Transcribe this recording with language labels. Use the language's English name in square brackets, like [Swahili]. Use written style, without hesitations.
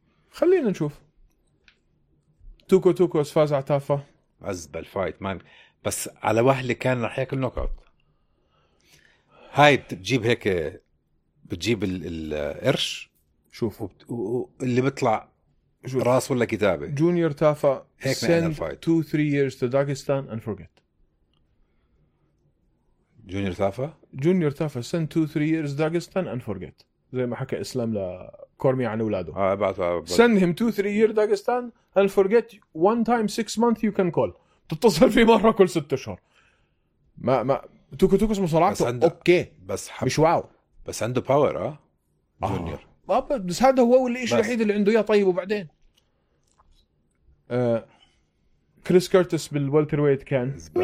[Arabic] خلينا نشوف. توكو توكوس فاز على تافا. أزبل فايت مان. بس على وهلة كان رح ياكل نوك اوت. هاي بتجيب هيك بتجيب القرش. شوف اللي بيطلع راس ولا كتابة. [English] Junior تافا هيك سند 2-3 years to Dagestan and forget. [Arabic] جونيور تافا [English] سند 2-3 years to Dagestan and forget. [Arabic] زي ما حكى اسلام لكورمي عن اولاده. [English] Send him 2-3 year Dagestan and forget one time 6 month you can call. [Arabic] تتصل فيه مره كل 6 اشهر. ما توكو توكوس مصارعته عنده... اوكي بس مش واو بس عنده باور. جونيور بس هذا هو الاشي الوحيد اللي عنده. يا طيب وبعدين كريس كيرتس بالوالتر ويت كان